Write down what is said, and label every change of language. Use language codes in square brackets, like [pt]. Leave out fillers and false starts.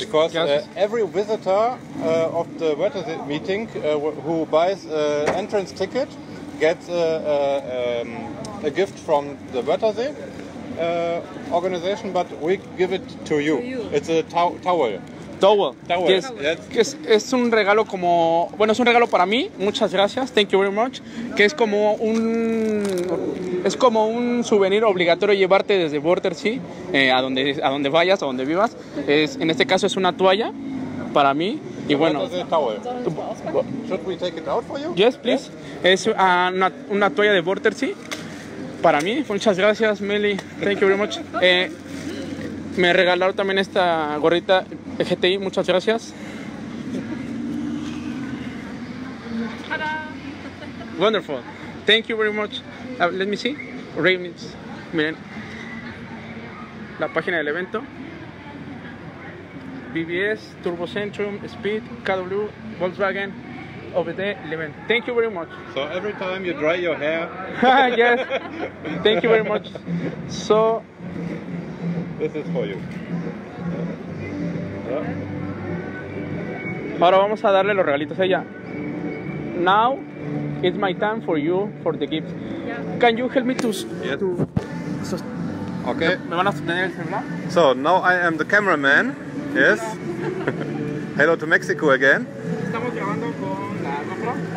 [en] Because every visitor of the Wörthersee meeting who buys an entrance ticket gets a gift from the Wörthersee organization, but we give it to you. It's a towel. Towel. Yes. [es] Es un regalo como... Bueno, es un regalo para mí. Muchas gracias. [en] Thank you very much. [es] Que es como un... Es como un souvenir obligatorio llevarte desde Wörthersee a donde vayas, a donde vivas. En este caso es una toalla para mí. Y bueno... [en] Should we take it out for you? Yes, please. Yes. [es] Es una toalla de Wörthersee para mí. Muchas gracias, Meli. [en] Thank you very much. [es] Me regalaron también esta gorrita GTI, muchas gracias. ¡Tada! [en] Wonderful. Thank you very much. Let me see. Ravens. [es] Miren. La página del evento. [en] BBS, Turbo Centrum, Speed, KW, Volkswagen, OBD, Leven. Thank you very much. So every time you dry your hair. Yes. Thank you very much. So this is for you. [es] Ahora vamos a darle los regalitos a ella. [en] Now it's my time for you for the gifts. Yeah. Can you help me to? Yes. Okay. [es] Me van a sostener el celular. [en] So now I am the cameraman. Yes. Hello to Mexico again. [es] Estamos grabando con la GoPro.